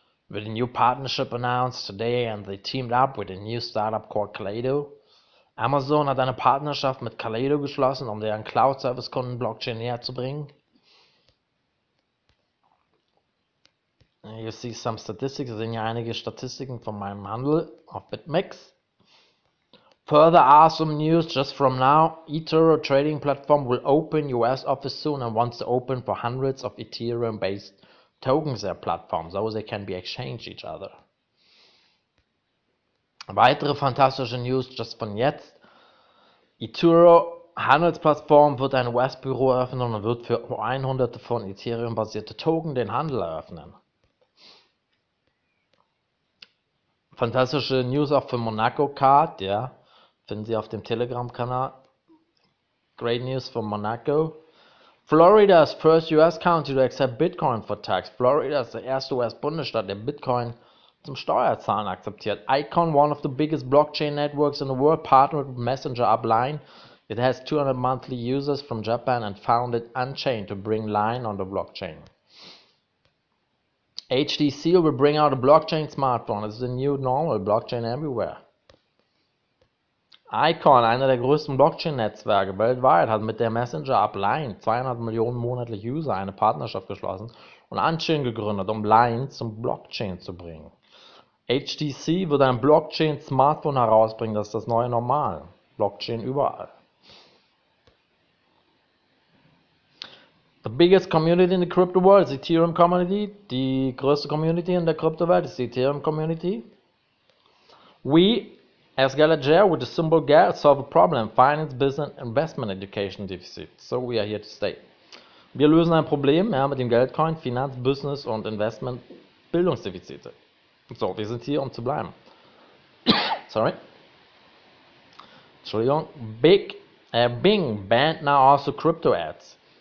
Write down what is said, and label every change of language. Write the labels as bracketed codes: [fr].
[en] With a new partnership announced today and they teamed up with a new startup called Kaleido. [de] Amazon hat eine Partnerschaft mit Kaleido geschlossen, um deren Cloud-Service-Kunden Blockchain näher zu bringen. [en] You see some statistics, [de] sehen hier einige Statistiken von meinem Handel auf BitMEX. [en] Further awesome news just from now, eToro Trading Platform will open US office soon and wants to open for hundreds of Ethereum-based Tokens [de] der Plattform, [en] so they can be exchanged each other. [de] Weitere fantastische News just von jetzt. eToro Handelsplattform wird ein US-Büro eröffnen und wird für hunderte von Ethereum-basierte Token den Handel eröffnen. Fantastische News auch für Monaco Card, ja. Finden Sie auf dem Telegram-Kanal. [en] Great News von Monaco. Florida's first US county to accept Bitcoin for tax. [de] Florida ist der erste US-Bundesstaat, der Bitcoin zum Steuerzahlen akzeptiert. [en] Icon, one of the biggest blockchain networks in the world, partnered with Messenger up Line. It has 200 monthly users from Japan and founded Unchained to bring Line on the blockchain. HTC will bring out a blockchain smartphone. It's the new normal, blockchain everywhere. [de] Icon, einer der größten Blockchain-Netzwerke weltweit, hat mit der Messenger-App Line 200 Millionen monatliche User eine Partnerschaft geschlossen und Unchained gegründet, um Line zum Blockchain zu bringen. HTC wird ein Blockchain-Smartphone herausbringen, das ist das neue Normal. Blockchain überall. [en] The biggest community in the crypto world is the Ethereum Community. [de] Die größte Community in der Kryptowelt ist die Ethereum Community. [en] We As Galagia, with the symbol GAL, solve a problem, finance, business, investment, education deficit. So we are here to stay. [de] Wir lösen ein Problem, ja, mit dem Geldcoin, Finanz, Business und Investment, Bildungsdefizite. So, wir sind hier, um zu bleiben. Sorry. Entschuldigung. [en] Bing banned now also crypto ads.